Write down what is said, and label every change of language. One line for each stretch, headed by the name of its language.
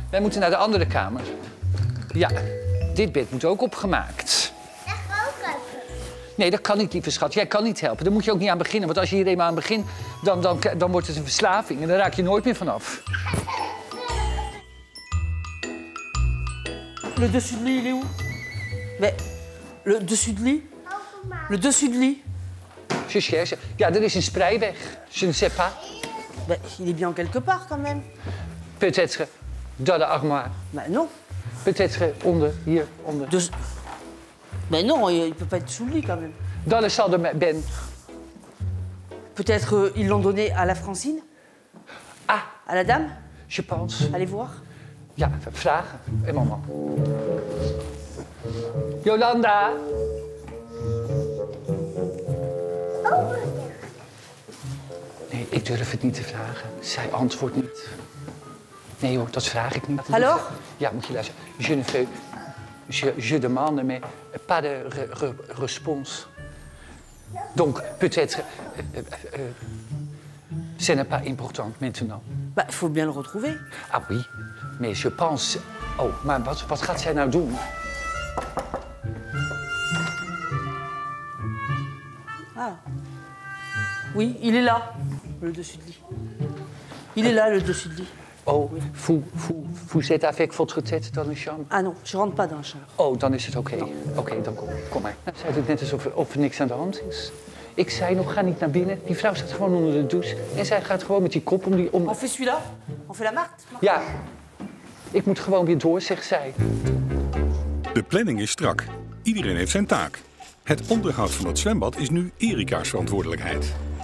Dutch: Wij moeten naar de andere kamer. Ja, dit bed moet ook opgemaakt. Dat kan ook. Nee, dat kan niet, lieve schat. Jij kan niet helpen. Daar moet je ook niet aan beginnen. Want als je hier eenmaal aan begint, dan wordt het een verslaving. En dan raak je nooit meer vanaf.
French: Le dessus de lit, il est où? Mais, le dessus de lit? Le dessus de lit?
Dutch: Ja, er is een sprei weg.
French: Je ne sais pas. Bah, il est bien quelque part, quand même. Peut-être dans l'armoire. Bah, non. Peut-être
Dutch: onder, hier, onder. Dus,
French: Mais non, il peut pas être sous le lit, quand même. Dans le champ de Ben. Peut-être ils l'ont donné à la Francine. Ah. À la dame. Je pense. Allez voir.
Dutch: Ja, vraag. Een moment. Yolanda. Nee, ik durf het niet te vragen. Zij antwoordt niet. Nee hoor, dat vraag ik niet. Hallo? Ja, moet je luisteren.
French: Je ne veux... Je demande, mais pas de response. Donc, peut-être... ce n'est pas important maintenant. Il faut bien le retrouver. Ah oui, mais je pense...
Dutch: Oh, maar wat gaat zij nou doen?
French: Ah. Oui, il est là, le dessus de lit. Il est là, le dessus de lit. Oh, vous êtes avec votre tête dans la chambre? Ah non, je rentre pas dans la chambre.
Dutch: Oh, dan is het oké. Oké, dan kom maar. Dan zei het net alsof er niks aan de hand is. Ik zei nog, ga niet naar binnen. Die vrouw staat gewoon onder de douche. En zij gaat gewoon met die kop om die... Om...
French: On fait celui-là? On fait la marque?
Dutch: Ja. Ik moet gewoon weer door, zegt zij. De planning is strak. Iedereen heeft zijn taak. Het onderhoud van het zwembad is nu Erika's verantwoordelijkheid.